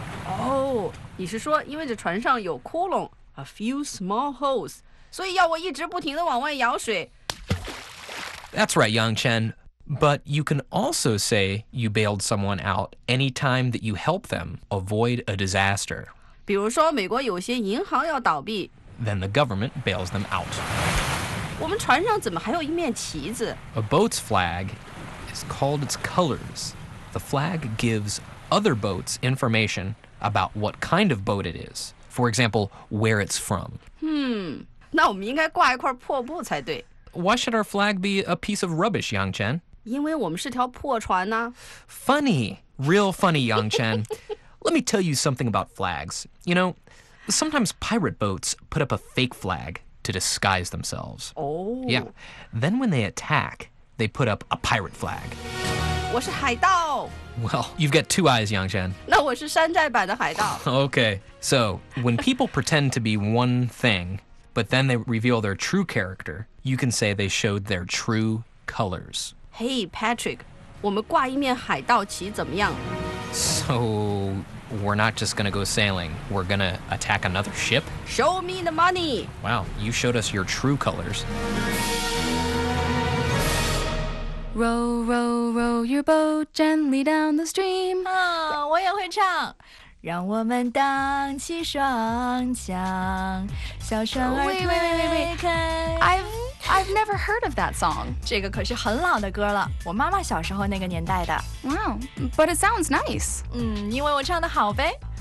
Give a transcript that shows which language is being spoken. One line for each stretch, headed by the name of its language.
Chinese: Oh, 你是说因为这船上有窟窿
English: a few small holes,
Chinese: 所以要我一直不停地往外舀水。
English: That's right, Yangchen. But you can also say you bailed someone out any time that you help them avoid a disaster.
Chinese: 比如说美国有些银行要倒闭。
English: Then the government bails them out.
Chinese: 我们船上怎么还有一面旗子？
English: A boat's flag. It's called its colors. The flag gives other boats information about what kind of boat it is. For example, where it's from.
Chinese: 那我们应该挂一块破布才对。
English: Why should our flag be a piece of rubbish, Yangchen?
Chinese: 因为我们是条破船呢。
English: Funny, real funny, Yangchen. Let me tell you something about flags. You know, sometimes pirate boats put up a fake flag to disguise themselves. Oh. Yeah. Then when they attack... They put up a pirate flag.
Chinese: 我是海盗。
English: Well, you've got two eyes, Yangchen.
Chinese: 那我是山寨版的海盗。
English: Okay, so when people pretend to be one thing, but then they reveal their true character, you can say they showed their true colors.
Chinese: Hey, Patrick, 我们挂一面海盗旗怎么样？
English: So, we're not just gonna go sailing. We're gonna attack another ship? Show me the money. Wow, you showed us your true colors. Row, row, row your boat gently down the stream.
Chinese: 我也会唱。让我们荡起双桨，小船儿推开。
English: I've never heard of that song.
Chinese: 这个可是很老的歌了，我妈妈小时候那个年代的。
English: Wow, but it sounds nice.
Chinese: 因为我唱得好呗。